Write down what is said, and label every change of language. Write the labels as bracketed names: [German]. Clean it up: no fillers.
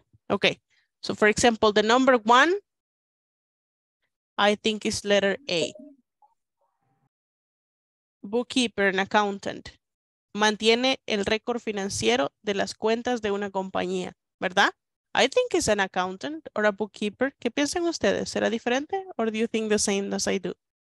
[English] Okay, so for example, the number one, I think is letter A. Bookkeeper and accountant. [Spanish] mantiene el récord financiero de las cuentas de una compañía, ¿verdad? [English] I think it's an accountant or a bookkeeper. [Spanish] ¿Qué piensan ustedes? ¿Será diferente? [English] Or do you think the same as I do?